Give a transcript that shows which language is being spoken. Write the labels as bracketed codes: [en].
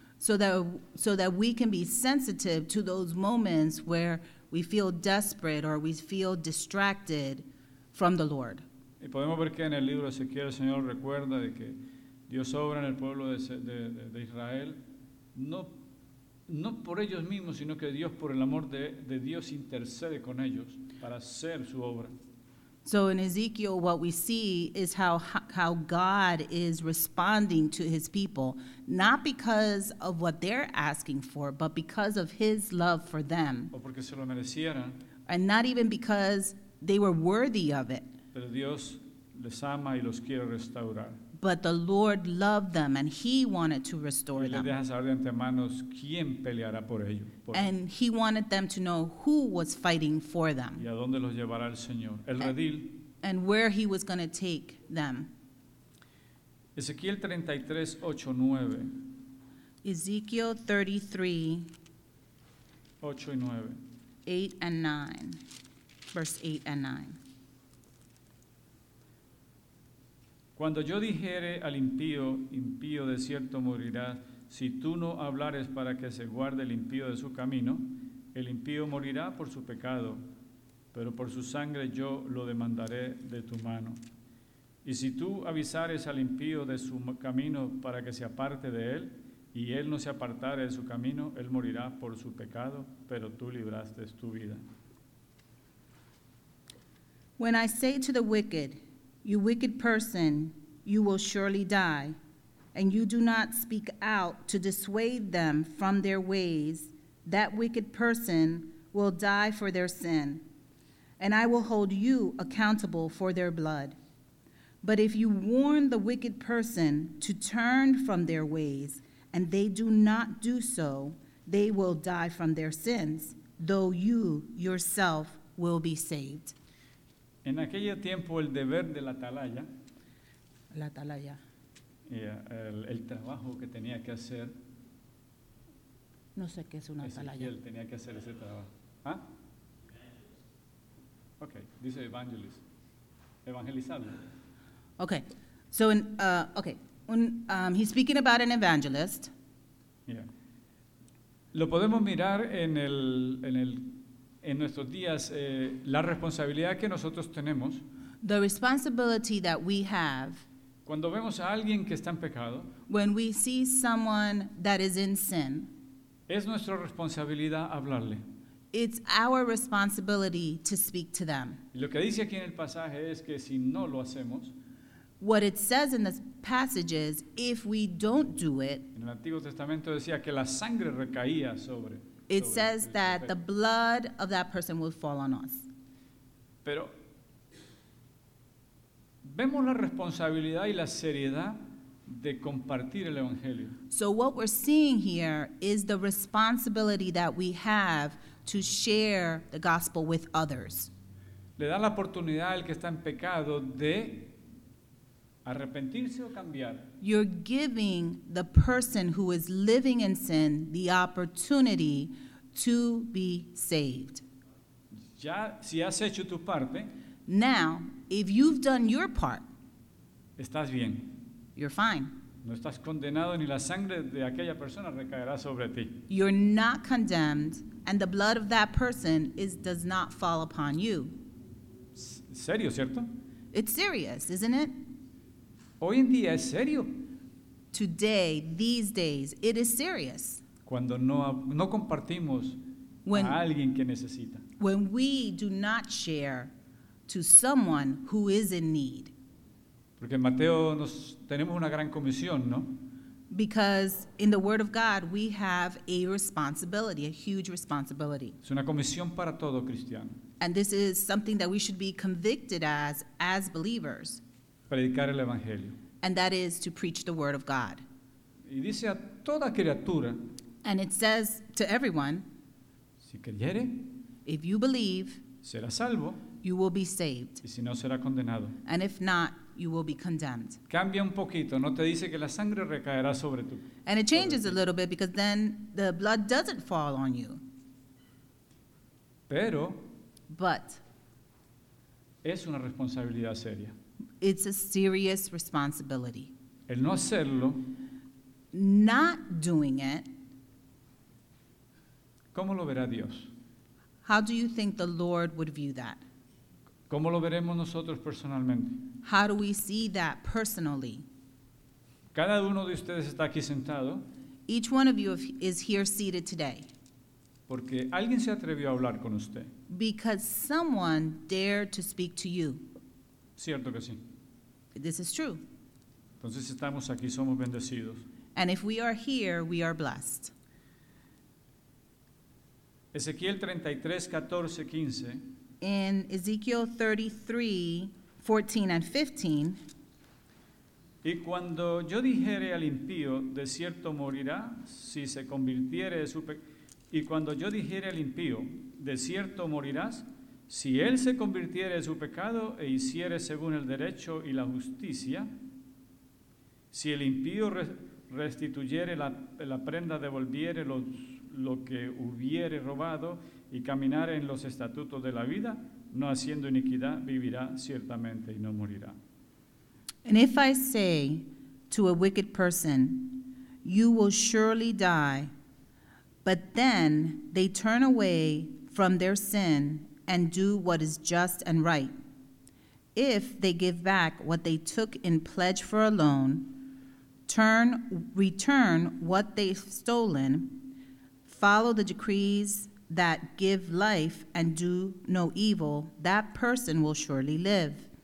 [en] So that we can be sensitive to those moments where we feel desperate or we feel distracted from the Lord. [es] Y podemos ver que en el libro de Ezequiel el Señor recuerda de que Dios obra en el pueblo de Israel no por ellos mismos, sino que Dios, por el amor de Dios, intercede con ellos para hacer su obra. [en] So in Ezekiel, what we see is how God is responding to his people, not because of what they're asking for, but because of his love for them. [es] O porque se lo merecieran. [en] And not even because they were worthy of it. [es] Pero Dios les ama y los quiere restaurar. [en] But the Lord loved them and he wanted to restore [es] y les [en] them. [es] Deja saber de antemano quién peleará por ellos, por [en] and [es] ellos. [en] He wanted them to know who was fighting for them. [es] Y a dónde los llevará el Señor, el redil. [en] And where he was going to take them. [es] Ezequiel 33, 8, 9. [en] Ezekiel 33:8-9. [es] Cuando yo dijere al impío, impío de cierto morirás, si tú no hablares para que se guarde el impío de su camino, el impío morirá por su pecado, pero por su sangre yo lo demandaré de tu mano. Y si tú avisares al impío de su camino para que se aparte de él, y él no se apartare de su camino, él morirá por su pecado, pero tú libraste tu vida. [en] When I say to the wicked, you wicked person, you will surely die, and you do not speak out to dissuade them from their ways, that wicked person will die for their sin, and I will hold you accountable for their blood. But if you warn the wicked person to turn from their ways, and they do not do so, they will die from their sins, though you yourself will be saved. [es] En aquel tiempo el deber de la atalaya, la atalaya, el trabajo que tenía que hacer, no sé qué es una atalaya. Él tenía que hacer ese trabajo. ¿Ah? Okay, dice evangelist. Evangelizarlo. [en] Okay. So in he's speaking about an evangelist. Yeah. [es] Lo podemos mirar en nuestros días, la responsabilidad que nosotros tenemos. [en] The responsibility that we have. [es] Cuando vemos a alguien que está en pecado. [en] When we see someone that is in sin. [es] Es nuestra responsabilidad hablarle. [en] It's our responsibility to speak to them. [es] Y lo que dice aquí en el pasaje es que si no lo hacemos. [en] What it says in this passage is, if we don't do it. [es] En el Antiguo Testamento decía que la sangre recaía sobre. [en] It says that the blood of that person will fall on us. [es] Pero vemos la responsabilidad y la seriedad de compartir el evangelio. [en] So what we're seeing here is the responsibility that we have to share the gospel with others. [es] Le da la oportunidad al que está en pecado de arrepentirse o cambiar. [en] You're giving the person who is living in sin the opportunity to be saved. [es] Ya, si has hecho tu parte, [en] now, if you've done your part, [es] estás bien. [en] You're fine. [es] No estás condenado ni la sangre de aquella persona recaerá sobre ti. [en] You're not condemned and the blood of that person does not fall upon you. [es] Serio, ¿cierto? [en] It's serious, isn't it? [es] Hoy en día es serio. [en] Today, these days, it is serious. [es] Cuando no compartimos a alguien que necesita. [en] When we do not share to someone who is in need. [es] Porque en Mateo tenemos una gran comisión, ¿no? [en] Because in the Word of God, we have a responsibility, a huge responsibility. [es] Es una comisión para todo cristiano. [en] And this is something that we should be convicted as believers. [es] Predicar el evangelio. [en] And that is to preach the word of God. [es] Y dice a toda criatura, [en] and it says to everyone, [es] si creyere, [en] if you believe, [es] será salvo, [en] you will be saved. [es] Y si no, será condenado. [en] And if not, you will be condemned. [es] Cambia un poquito, no te dice que la sangre recaerá sobre tú. [en] And it changes a little bit because then the blood doesn't fall on you. [es] Pero, [en] but, [es] es una responsabilidad seria. [en] It's a serious responsibility. [es] El no hacerlo, [en] not doing it, [es] ¿cómo lo verá Dios? [en] How do you think the Lord would view that? [es] ¿Cómo lo veremos nosotros personalmente? [en] How do we see that personally? [es] Cada uno de ustedes está aquí sentado. [en] Each one of you is here seated today. [es] Porque alguien se atrevió a hablar con usted. [en] Because someone dared to speak to you. [es] Cierto que sí. [en] This is true. [es] Entonces estamos aquí, somos bendecidos. [en] And if we are here, we are blessed. [es] Ezequiel 33, 14, 15. [en] In Ezekiel 33, 14 and 15. [es] Y cuando yo dijere al impío, de cierto morirá si se convirtiere de su pecado. Y cuando yo dijere al impío, de cierto morirás, si él se convirtiere de su pecado e hiciere según el derecho y la justicia, si el impío restituyere la prenda, devolviere lo que hubiere robado y caminare en los estatutos de la vida, no haciendo iniquidad, vivirá ciertamente y no morirá. [en] And if I say to a wicked person, you will surely die, but then they turn away from their sin and do what is just and right. If they give back what they took in pledge for a loan, return what they've stolen, follow the decrees that give life and do no evil, that person will surely live.